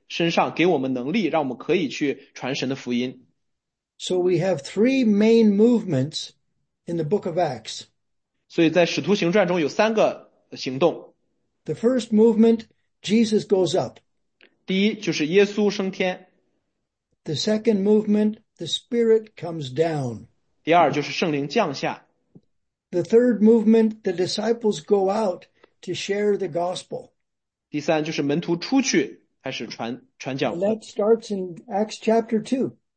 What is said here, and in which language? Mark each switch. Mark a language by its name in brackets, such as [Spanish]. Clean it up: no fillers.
[Chinese] 所以当耶稣升天之后呢，圣灵就会降临在我们身上，给我们能力，让我们可以去传神的福音。 [English] So we have three main movements in the book of Acts. [Chinese] 所以在使徒行传中有三个行动。 [English] The first movement, Jesus goes up. [Chinese] 第一就是耶稣升天。 [English] The second movement, the Spirit comes down. [Chinese] 第二就是圣灵降下。 [English] The third movement, the disciples go out to share the gospel. [Chinese] 第三就是门徒出去开始传讲。 [English] And that starts in Acts chapter 2.